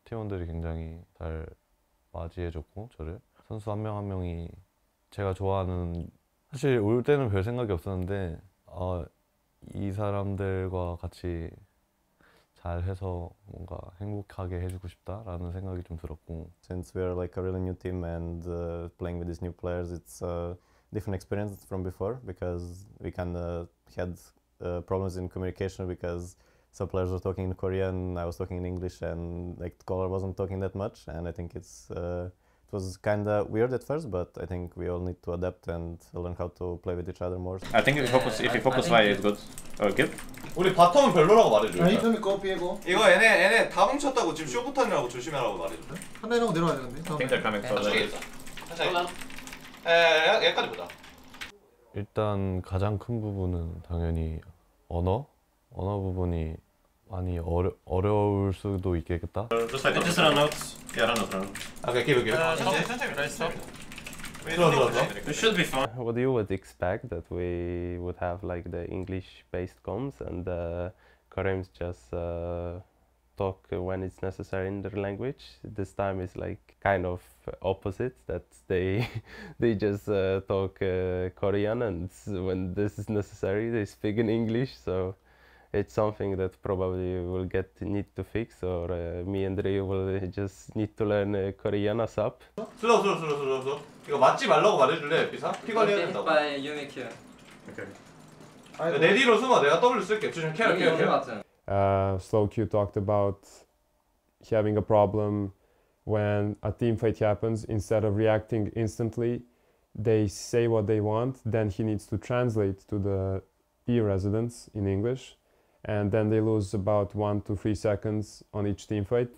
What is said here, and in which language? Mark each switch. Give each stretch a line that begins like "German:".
Korean: T1들이 굉장히 잘 맞이해줬고 저를. 선수 한 명 한 명이 제가 좋아하는 사실 올 때는 별 생각이 없었는데 이 사람들과 같이 잘 해서 뭔가 행복하게 해주고 싶다라는 생각이 좀 들었고.
English: Since we are like a really new team and playing with these new players, it's a different experience from before because we kind of had problems in communication because some players were talking in Korean, I was talking in English, and like the caller wasn't talking that much. And I think it was kind of weird at first, but I think we all need to adapt and learn how to play with each other more. I think if you focus, if you focus right, it's good. Okay.
Korean: 우리 바텀은 별로라고 말해줘. 이쯤이 거 피해고. 이거 얘네 다 뭉쳤다고 지금 쇼부터라고 조심하라고 말해줘. 하나 이런 거 내려와야 되는데. 팀들 가면 더 좋겠다. 여기까지 보자. 일단 가장 큰 부분은 당연히 언어. 언어 부분이 많이 어려울 수도 있겠다.
English: Just like this round notes. Yeah, round notes. Okay, keep it, keep it. It should be fun. What you would expect that we would have like the English-based comms and the Koreans just talk when it's necessary in their language. This time is like kind of opposite that they just talk Korean and when this is necessary they speak in English. So it's something that probably we'll need to fix or me and Ryu will just need to learn Korean ASAP. Slow.
Korean: 이거 맞지 말라고 말해줄래, 비사? 피걸 해야 된다고.
English: By unit care. Okay.
Korean: 내디로 숨어, 내가 W 쓸게. 좀 케어, 케어, 케어.
English: Slow Q talked about having a problem when a team fight happens. Instead of reacting instantly, they say what they want. Then he needs to translate to the B residents in English. And then they lose about 1 to 3 seconds on each team fight.